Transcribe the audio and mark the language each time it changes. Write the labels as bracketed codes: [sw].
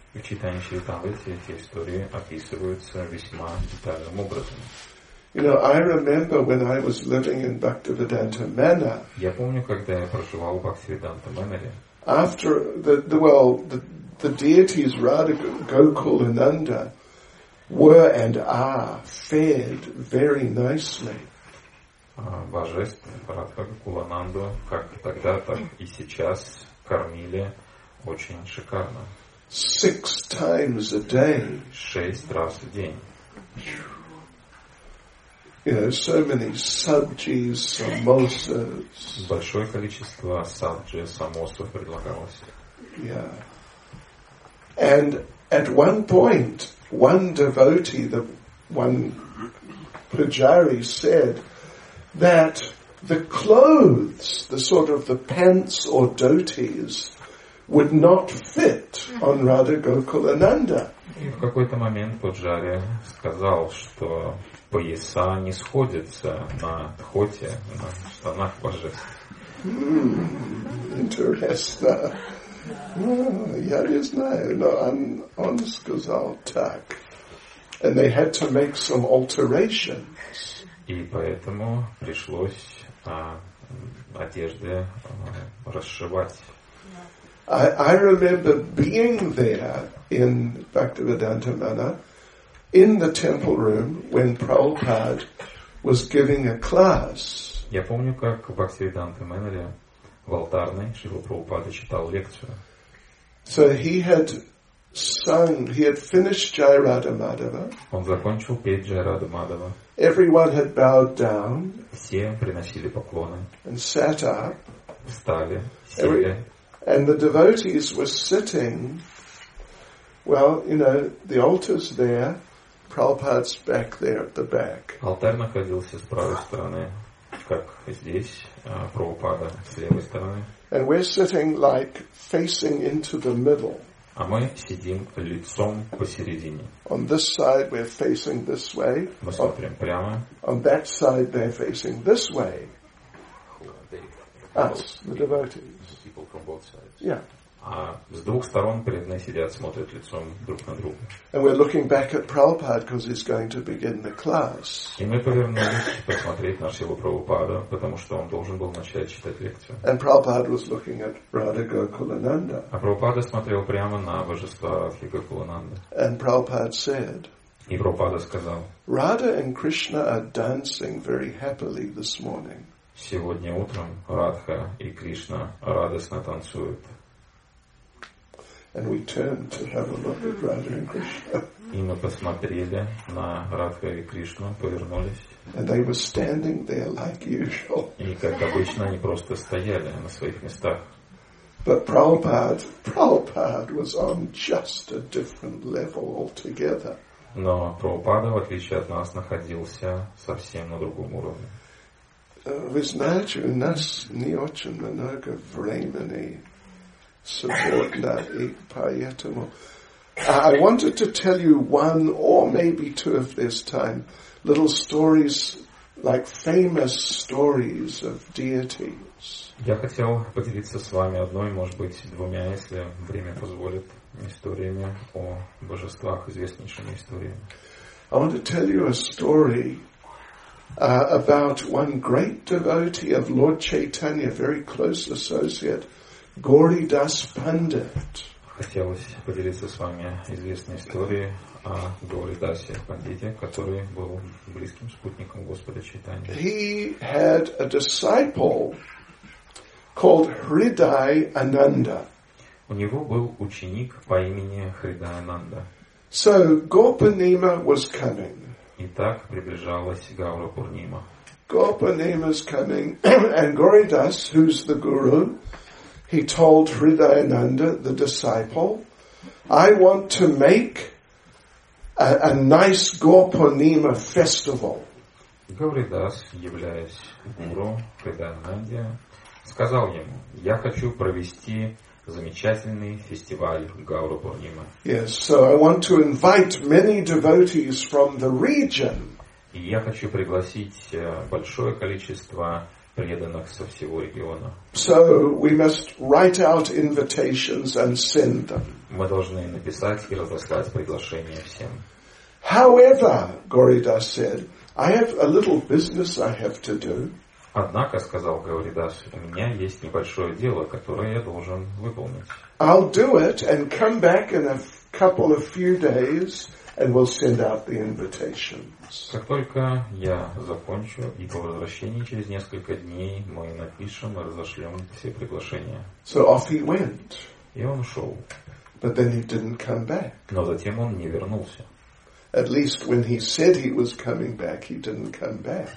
[ru] В Чайтанья Чаритамрите эти истории описываются весьма детальным образом. [en] You know, I remember when I was living in Bhaktivedanta Manor. [ru] Я помню, когда я проживал в Бхактивиданта Маноре. [en] After the deities Radha, Gokul, and Nanda were and are fed very nicely. [ru] Божественные Радха, Гокула, Нанда, как тогда, так и сейчас, кормили очень шикарно. [en] 6 times a day. [ru] 6 раз в день. [en] You know, so many sabjis, samosas. [ru] Большое количество сабджи, самосов предлагалось. [en] Yeah. And at one point, one devotee, the one pujari, said that the clothes, the sort of the pants or dhotis, would not fit on Radha Gokulananda. [ru] И в какой-то момент пуджари сказал, что пояса не сходятся на дхоте, на штанах божеств. Я не знаю, но он сказал так. [en] And they had to make some alterations. [ru] И поэтому пришлось одежды расшивать. [en] I remember being there in Bhaktivedanta Manor, in the temple room, when Prabhupada was giving a class. [ru] Я помню, как в Бхактиведанта Маноре в алтарной Шрила Прабхупада читал лекцию. [en] So he had finished Jai Radha Madhava. [ru] Он закончил петь Jai Radha Madhava. [en] Everyone had bowed down. [ru] Все приносили поклоны. [en] And sat up. [ru] Встали, сели. [en] And the devotees were sitting, well, you know, the altar's there, Prabhupada's back there at the back. [ru] Алтарь находился с правой стороны, как здесь, Прабхупада с левой стороны. [en] And we're sitting like facing into the middle. [ru] А мы сидим лицом посередине. [en] On this side we're facing this way. [ru] Мы смотрим прямо. [en] On that side they're facing this way. Us, the devotees. People from both sides. Yeah. [ru] А с двух сторон преданные сидят, смотрят лицом друг на друга. [en] And we're looking back at Prabhupada because he's going to begin the class. [ru] И мы повернулись посмотреть на Шрилу Прабхупаду, потому что он должен был начать читать лекцию. [en] And Prabhupada was looking at Radha Gokulananda. [ru] А Прабхупада смотрел прямо на божество Радхи Гокулананды. [en] And Prabhupada said. [ru] И Прабхупада сказал. [en] Radha and Krishna are dancing very happily this morning. [ru] Сегодня утром Радха и Кришна радостно танцуют. [en] And we turned to have a look at Radha and Krishna. [ru] И мы посмотрели на Радха и Кришну, повернулись. [en] And they were standing there like usual. [ru] И как обычно они просто стояли на своих местах. [en] But Prabhupada was on just a different level altogether. [ru] Но Прабхупада, в отличие от нас, находился совсем на другом уровне. Вы знаете, у нас не очень много времени Subordinati Payetamo. [en] I wanted to tell you one or maybe two of this time, little stories, like famous stories of deities. [ru] Я хотел поделиться с вами одной, может быть, двумя, если время позволит, историями о божествах, известнейшими историями. [en] I want to tell you a story about one great devotee of Lord Chaitanya, very close associate, Gauri Das Pandit. [ru] Хотелось поделиться с вами известной историей о Гори Дасе Пандите, который был близким спутником Господа Чайтаньи. [en] He had a disciple called Hriday Ananda. [ru] У него был ученик по имени Хридай Ананда. [en] So Gopinima was coming. [ru] Итак, приближалась Гаура Пурнима. [en] Gopinima is coming, and Gauri Das, who's the guru, he told Hridayananda, the disciple, I want to make a nice Gopinima festival. [ru] Гаури Дас, являясь гуру Хридаянанде, сказал ему, я хочу провести замечательный фестиваль Гаура Пурнима. [en] Yes, so I want to invite many devotees from the region. [ru] И я хочу пригласить большое количество преданных со всего региона. [en] So we must write out invitations and send them. [ru] Мы должны написать и разослать приглашения всем. [en] However, Gauri Das said, I have a little business I have to do. [ru] Однако, сказал Гаури Дас, у меня есть небольшое дело, которое я должен выполнить. [en] I'll do it and come back in a couple of few days and we'll send out the invitations. [ru] Как только я закончу и по возвращении через несколько дней мы напишем и разошлем все приглашения. [en] So off he went. [ru] И он ушел. [en] But then he didn't come back. [ru] Но затем он не вернулся. [en] At least when he said he was coming back, he didn't come back.